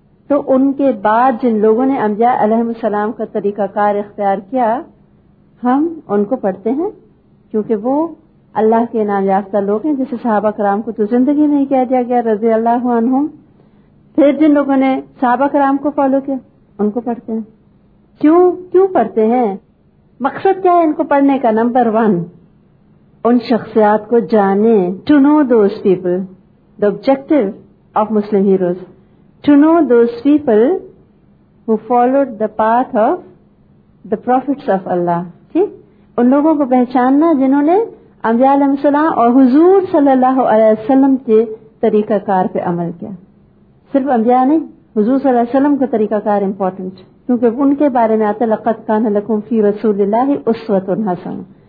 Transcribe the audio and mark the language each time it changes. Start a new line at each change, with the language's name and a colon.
Urdu: تو ان کے بعد جن لوگوں نے انبیاء علیہ السلام کا طریقہ کار اختیار کیا ہم ان کو پڑھتے ہیں کیونکہ وہ اللہ کے انعام یافتہ لوگ ہیں، جسے صحابہ کرام کو تو زندگی میں ہی کہہ دیا گیا رضی اللہ عنہم. پھر جن لوگوں نے صحابہ کرام کو فالو کیا ان کو پڑھتے ہیں. کیوں پڑھتے ہیں؟ مقصد کیا ہے ان کو پڑھنے کا؟ نمبر 1، ان شخصیات کو جانیں،
English: To know those people. The objective of Muslim heroes, to know those people who followed the path of the prophets of Allah.
Urdu: ان لوگوں کو پہچاننا جنہوں نے انبیاء علیہ السلام اور حضور صلی اللہ علیہ وسلم کے طریقہ کار پہ عمل کیا. صرف انبیاء نہیں, حضور صلی اللہ علیہ وسلم کا طریقہ کار امپورٹنٹ, کیونکہ ان کے بارے میں آتا ہے
Arabic: لقد کان لکم فی رسول اللہ اسوۃ حسنہ.